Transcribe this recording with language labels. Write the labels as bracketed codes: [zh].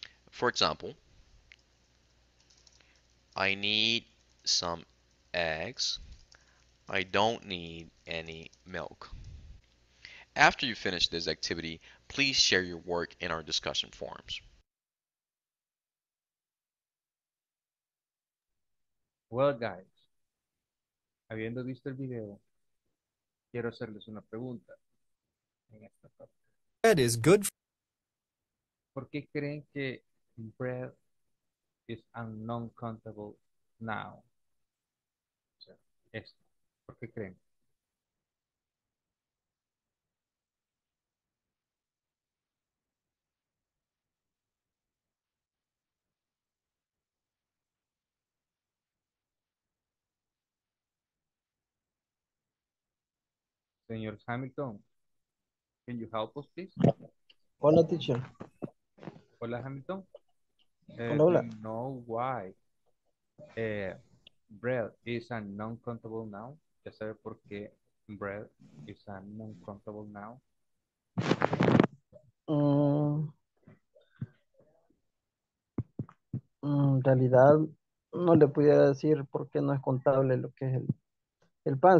[en] For example, I need some eggs. I don't need any milk. After you finish this activity, please share your work in our discussion forums. Well, guys, [es] habiendo visto el video, quiero hacerles una pregunta. [en] Bread is good. [es] ¿Por qué creen que [en] bread is a non-countable noun? [es] ¿Por qué creen? [en] Señor Hamilton, can you help us, please? [es] Hola, teacher. Hola, Hamilton. Hola, hola. [en] Do you know why bread is a non-countable noun? [es] ¿Ya sabe por qué [en] bread is a non-countable noun? [es] En realidad, no le pudiera decir por qué no es contable lo que es el pan.